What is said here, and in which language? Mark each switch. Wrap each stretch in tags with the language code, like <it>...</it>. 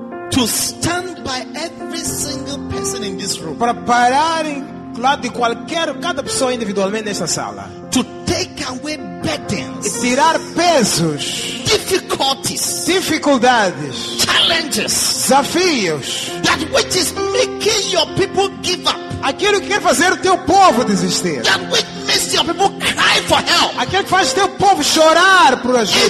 <en>To stand by every single person in this room.</en> <pt>Para parar em lado de qualquer cada pessoa individualmente nessa sala.</pt> <en>To take away burdens.</en> <pt>E tirar pesos.</pt> <en>Difficulties.</en> <pt>Dificuldades.</pt> <en>Challenges.</en> <pt>Desafios.</pt> <en>That which is making your people give up.</en> <pt>Aquilo que quer fazer o teu povo desistir.</pt> <en>That which makes your people cry for help.</en> <pt>Aquilo que faz o teu povo chorar por ajuda.</pt>